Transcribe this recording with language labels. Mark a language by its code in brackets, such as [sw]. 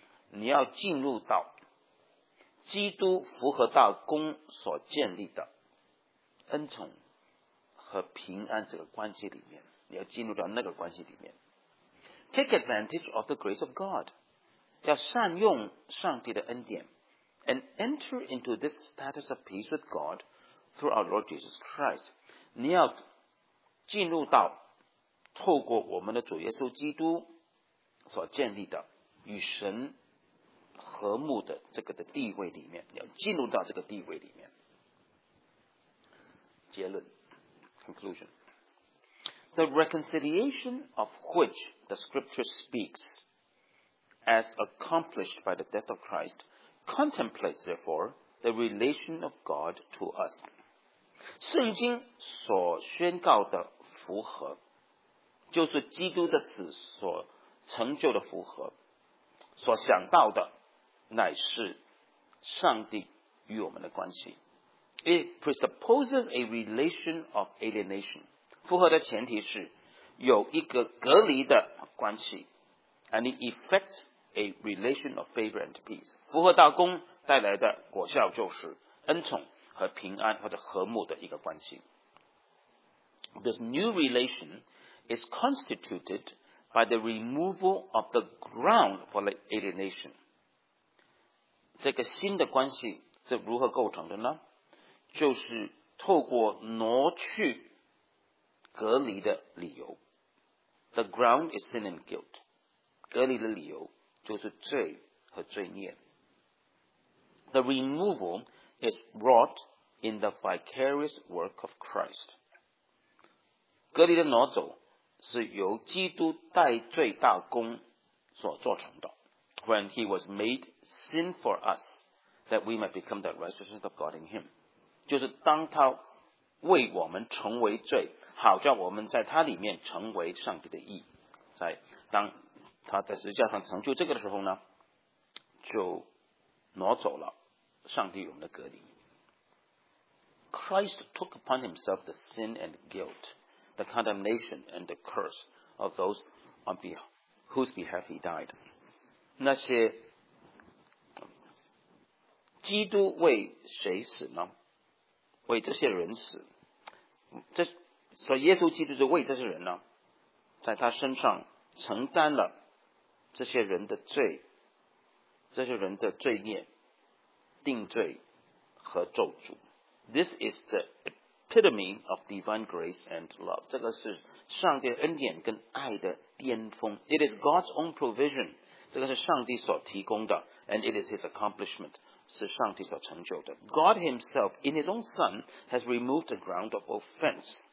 [zh] 你要进入到基督复活大功所建立的恩宠和平安这个关系里面，你要进入到那个关系里面。 [en] Take advantage of the grace of God, [zh] 要善用上帝的恩典 [en] ，and enter into this status of peace with God through our Lord Jesus Christ. [zh] 你要进入到透过我们的主耶稣基督所建立的与神和睦的这个的地位里面，要进入到这个地位里面。结论 [en] ，conclusion. The reconciliation of which the Scripture speaks, as accomplished by the death of Christ, contemplates therefore the relation of God to us. [zh] 圣经所宣告的复合，就是基督的死所成就的复合，所想到的。乃是上帝与我们的关系。 [en] It presupposes a relation of alienation. [zh] 复合的前提是有一个隔离的关系。 [en] And it effects a relation of favor and peace. [zh] 复合大功带来的果效就是恩宠和平安或者和睦的一个关系。 [en] This new relation is constituted by the removal of the ground for the alienation. [zh] 这个新的关系是如何构成的呢？就是透过挪去隔离的理由。 [en] The ground is sin and guilt. [zh] 隔离的理由就是罪和罪孽。 [en] The removal is wrought in the vicarious work of Christ. [zh] 隔离的挪走是由基督代罪大功所做成的。 [en] When he was made sin for us, that we might become the righteousness of God in him. [zh] 就是当他为我们成为罪，好叫我们在他里面成为上帝的义。在当他在十字架上成就这个的时候呢，就挪走了上帝与我们的隔离。 [en] Christ took upon himself the sin and guilt, the condemnation and the curse of those on whose behalf he died. [zh] 那些基督为谁死呢？为这些人死。这所以耶稣基督是为这些人呢，在他身上承担了这些人的罪，这些人的罪孽、定罪和咒诅。 [en] This is the epitome of divine grace and love. [zh] 这个是上帝恩典跟爱的巅峰。 [en] It is God's own provision. [zh] 这个是上帝所提供的 [en] and it is his accomplishment, [zh] 是上帝所成就的。 [en] God himself, in his own son, has removed the ground of offense.